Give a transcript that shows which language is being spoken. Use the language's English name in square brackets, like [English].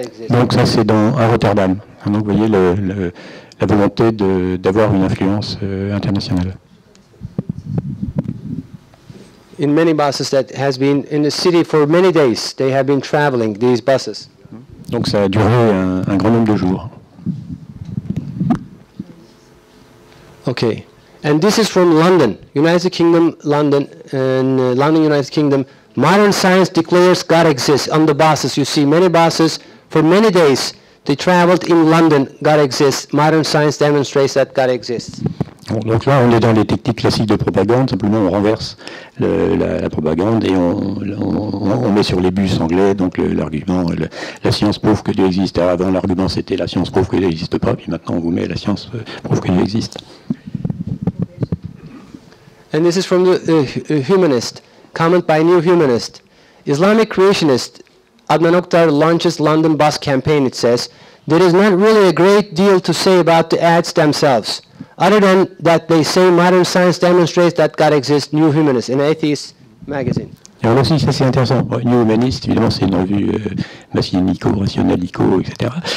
[French] Donc ça, c'est à Rotterdam. Donc vous voyez la volonté d'avoir une influence internationale. [English] In many buses that has been in the city for many days, they have been traveling these buses. Donc ça a duré un grand nombre de jours. Okay, and this is from London, United Kingdom, London, and London, United Kingdom. Modern science declares God exists on the buses. You see many buses for many days. They traveled in London. God exists. Modern science demonstrates that God exists. [French] Bon, donc là, on est dans les techniques classiques de propagande. Simplement, on renverse la propagande et on met sur les bus anglais. Donc l'argument, la science prouve que Dieu existe. Avant, l'argument c'était la science prouve que Dieu n'existe pas. Puis maintenant, on vous met la science prouve que Dieu existe. [English] And this is from the humanist, comment by New Humanist. Islamic creationist Adnan Oktar launches London bus campaign, it says. There is not really a great deal to say about the ads themselves, other than that they say modern science demonstrates that God exists, New Humanist, in Atheist magazine. [French] Et alors, ça c'est intéressant. New Humanist, évidemment, c'est une revue messianico-rationalico, etc.